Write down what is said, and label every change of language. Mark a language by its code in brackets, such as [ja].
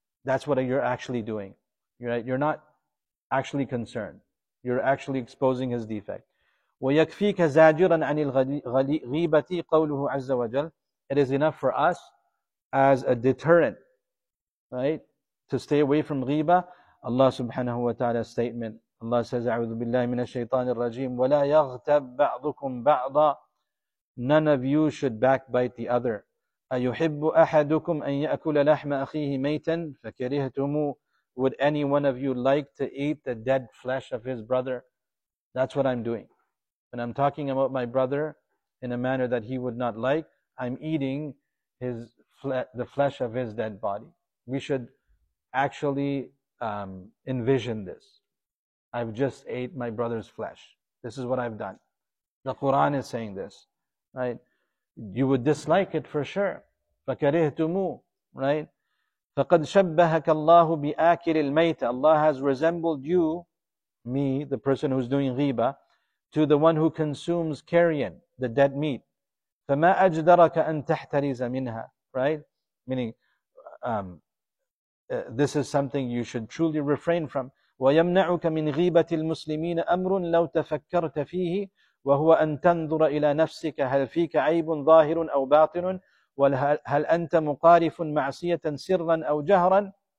[en] That's what you're actually doing. Right? You're not actually concerned. You're actually exposing his defect. [ar] وَيَكْفِيكَ زَاجِرًا عَنِ الْغِيبَةِ قَوْلُهُ عَزَّ وَجَلَّ. [en] It is enough for us as a deterrent, right, to stay away from ghiba. Allah subhanahu wa ta'ala's statement. Allah says, [ar] أَعُوذُ بِاللَّهِ مِنَ الشَّيْطَانِ الرَّجِيمِ وَلَا يَغْتَبْ بَعْضُكُمْ بَعْضًا. [en] None of you should backbite the other. [ar] أَيُحِبُّ أَحَدُكُمْ أَن يَأْكُلَ لَحْمَ أَخِيهِ مَيْتًا فَكَرِهْتُمُوهُ. [en] Would any one of you like to eat the dead flesh of his brother? That's what I'm doing. When I'm talking about my brother in a manner that he would not like, I'm eating the flesh of his dead body. We should actually envision this. I've just ate my brother's flesh. This is what I've done. The Quran is saying this, right? You would dislike it for sure. [ar] فَكَرِهْتُمُوهُ, [en] right? [ar] فَقَدْ شَبَّهَكَ اللَّهُ بِآكِلِ الْمَيْتَ. [en] Allah has resembled you, me, the person who's doing ghibah, to the one who consumes carrion, the dead meat. [ar] فَمَا أَجْدَرَكَ أَن تَحْتَرِزَ مِنْهَا, right? [en] Meaning, this is something you should truly refrain from. [ar] وَيَمْنَعُكَ مِنْ غِيبَةِ الْمُسْلِمِينَ أَمْرٌ لَوْ تَفَكَّرْتَ فِيهِ وَهُوَ أَنْ تَنْظُرَ إِلَى نَفْسِكَ هَلْ فِيكَ عَيْبٌ ظَاهِرٌ أَوْ بَاطِنٌ وَهَلْ أَنْتَ مُقَارِفٌ مَعْصِيَةً سِرًّا أَوْ جَهْرًا.